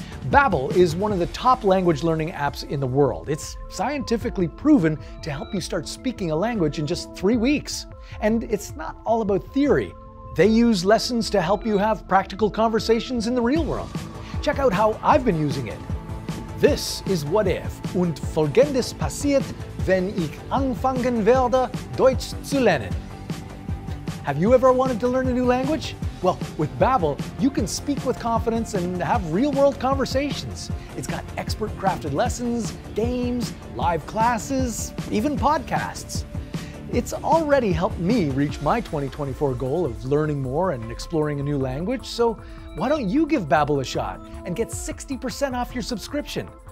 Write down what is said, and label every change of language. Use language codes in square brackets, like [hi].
[en] Babbel is one of the top language learning apps in the world. It's scientifically proven to help you start speaking a language in just 3 weeks. And it's not all about theory. They use lessons to help you have practical conversations in the real world. Check out how I've been using it. [de] This is What If, und folgendes passiert, wenn ich anfangen werde, Deutsch zu lernen. [en] Have you ever wanted to learn a new language? Well, with Babbel, you can speak with confidence and have real-world conversations. It's got expert-crafted lessons, games, live classes, even podcasts. It's already helped me reach my 2024 goal of learning more and exploring a new language, so why don't you give Babbel a shot and get 60% off your subscription?